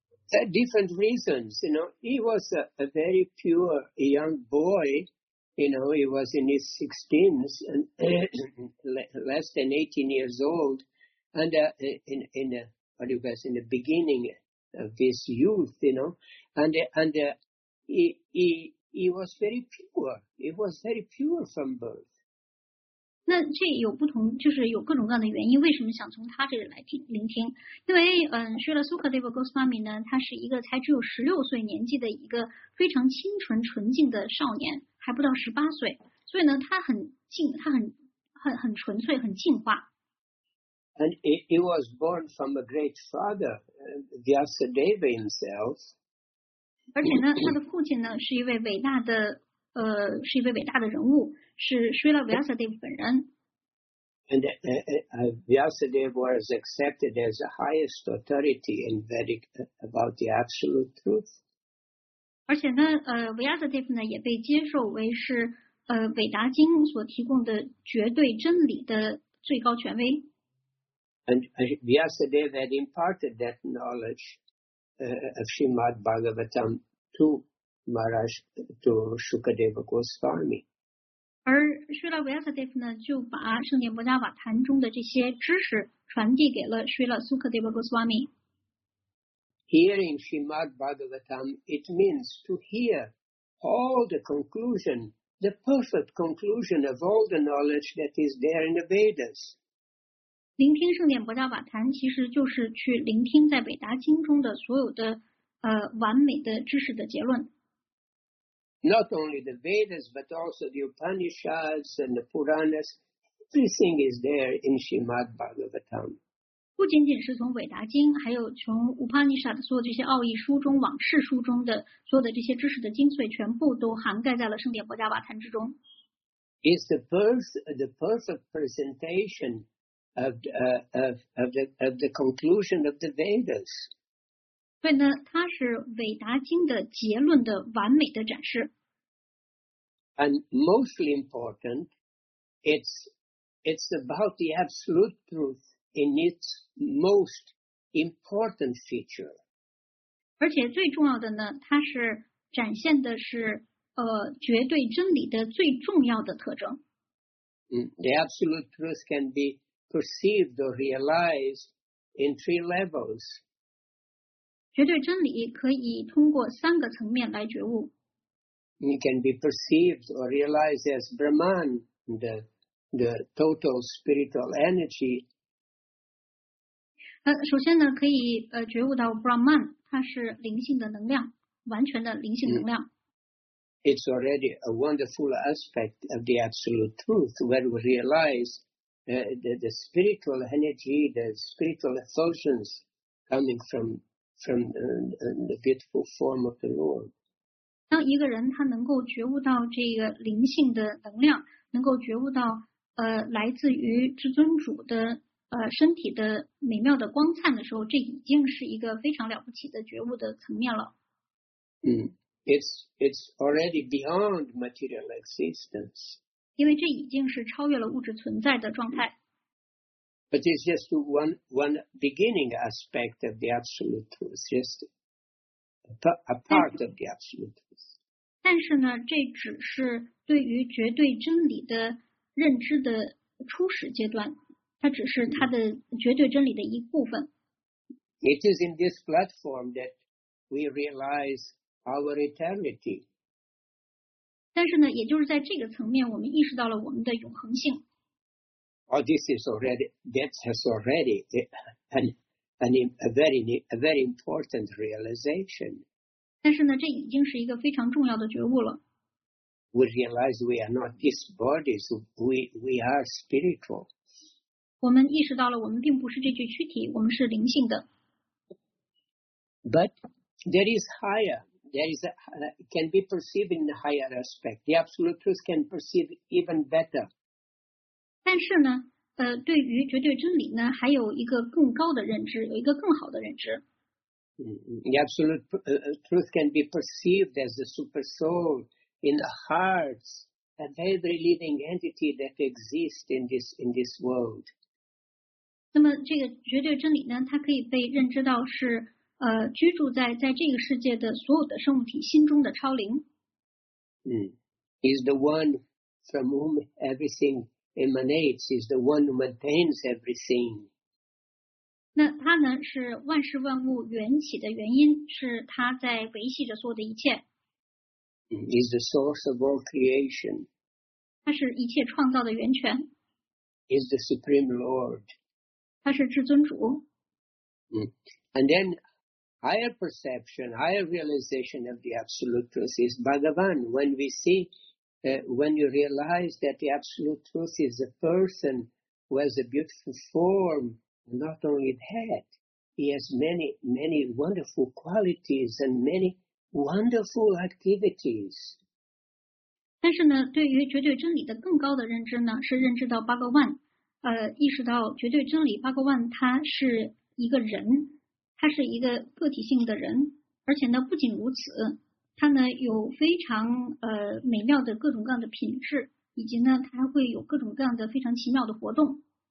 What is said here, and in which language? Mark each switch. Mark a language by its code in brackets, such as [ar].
[en] Different reasons, you know, he was a very pure young boy, you know, he was in his 16s and less than 18 years old, and in the beginning of his youth, you know, and he was very pure. He was very pure from birth. [zh] 那这有不同，就是有各种各样的原因，为什么想从他这里来听聆听？因为Srila Sukadeva Goswami 呢，他是一个才只有16岁年纪的一个非常清纯纯净的少年，还不到18岁，所以呢，他很净，他很纯粹，很净化。 [en] And he was born from a great father, Vyasadeva himself. [zh] 而且呢，他的父亲呢，是一位伟大的。是一位伟大的人物，是 Srila Vyasadeva 本人。 [en] And Vyasadeva was accepted as the highest authority in Vedic about the absolute truth. [zh] 而且呢，Vyasadeva 呢也被接受为是伟达经所提供的绝对真理的最高权威。 [en] And Vyasadeva had imparted that knowledge Srimad Bhagavatam to Maharaj, to Shukadeva Goswami. [zh] 而 Srila Vyasadeva 呢就把圣典摩迦瓦坛中的这些知识传递给了 Srila Sukadeva Goswami. [en] Hearing Srimad Bhagavatam, it means to hear all the conclusion, the perfect conclusion of all the knowledge that is there in the Vedas. [zh] 聆听圣典摩迦瓦坛其实就是去聆听在北达经中的所有的完美的知识的结论。 [en] Not only the Vedas, but also the Upanishads and the Puranas, everything is there in Srimad Bhagavatam. [zh] 不仅仅是从伟达经，还有从 Upanishad 所有这些奥义书中、往事书中的所有的这些知识的精髓，全部都涵盖在了圣典摩迦瓦坛之中。 [en] It's the perfect presentation of the conclusion of the Vedas. [zh] 所以呢，它是《伟达经》的结论的完美的展示。 [en] And mostly important, it's about the absolute truth in its most important feature. [zh] 而且最重要的呢，它是展现的是绝对真理的最重要的特征。 [en] The absolute truth can be perceived or realized in three levels. [zh] 绝对真理可以通过三个层面来觉悟。 [en] It can be perceived or realized as Brahman, the total spiritual energy. [zh] 首先呢，可以觉悟到 Brahman, 它是灵性的能量，完全的灵性能量。 [en] It's already a wonderful aspect of the absolute truth when we realize the spiritual energy, the spiritual effusions coming from the beautiful form of the Lord. [zh] 当一个人他能够觉悟到这个灵性的能量，能够觉悟到来自于至尊主的身体的美妙的光灿的时候，这已经是一个非常了不起的觉悟的层面了。 [en] It's already beyond material existence. [zh] 因为这已经是超越了物质存在的状态。 [en] But it's just one beginning aspect of the absolute truth, just a part of the absolute truth. [zh] 但是呢，这只是对于绝对真理的认知的初始阶段，它只是它的绝对真理的一部分。 [en] It is in this platform that we realize our eternity. [zh] 但是呢，也就是在这个层面，我们意识到了我们的永恒性。 [en] Oh, this is already, that has already a very important realization. [zh] 但是呢，这已经是一个非常重要的觉悟了。 [en] We realize we are not these bodies, we are spiritual. [zh] 我们意识到了我们并不是这具躯体，我们是灵性的。 [en] But there is higher, can be perceived in a higher aspect. The absolute truth can perceive even better. [zh] 但是呢，对于绝对真理呢，还有一个更高的认知，有一个更好的认知。 [en] The absolute truth can be perceived as the super soul in the hearts of every living entity that exists in this world. [zh] 那么这个绝对真理呢，它可以被认知到是居住在这个世界的所有的生物体心中的超灵。 [en] Is the one from whom everything. Emanates is the one who maintains everything. [zh] 那他呢是万事万物缘起的原因，是他在维系着所有的一切。 [en] Is the source of all creation. [zh] 他是一切创造的源泉。 [en] Is the supreme Lord. [zh] 他是至尊主。 [en] And then higher perception, higher realization of the absolute truth is Bhagavan. When we see. When you realize that the absolute truth is a person who has a beautiful form, not only that, he has many, many wonderful qualities and many wonderful activities. [zh] 但是呢，对于绝对真理的更高的认知呢，是认知到八个万，意识到绝对真理八个万，他是一个人，他是一个个体性的人，而且呢，不仅如此。他呢有非常美妙的各种各样的品质，以及呢他会有各种各样的非常奇妙的活动。